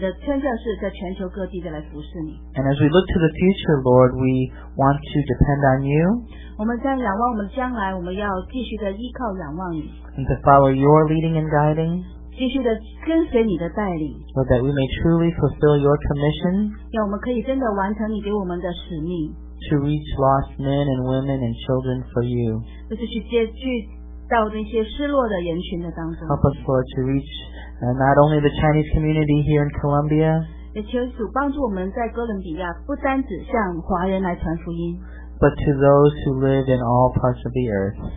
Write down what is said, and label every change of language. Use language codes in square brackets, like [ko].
[zh] 我看到我们这样的一个拆传出去是全球性的，用我们的宣教士在全球各地的来服侍你。 [en] And as we look to the future, Lord, we want to depend on you. [zh] 我们在仰望我们的将来，我们要继续的依靠仰望你。 [en] And to follow your leading and guiding. [zh] 继续的跟随你的带领。 [en] So that we may truly fulfill your commission. [zh] 让我们可以真的完成你给我们的使命。 [en] To reach lost men and women and children for you. [zh] 就是去接去。 [en] Help us, Lord, to reach not only the Chinese community here in Colombia, but to those who live in all parts of the earth.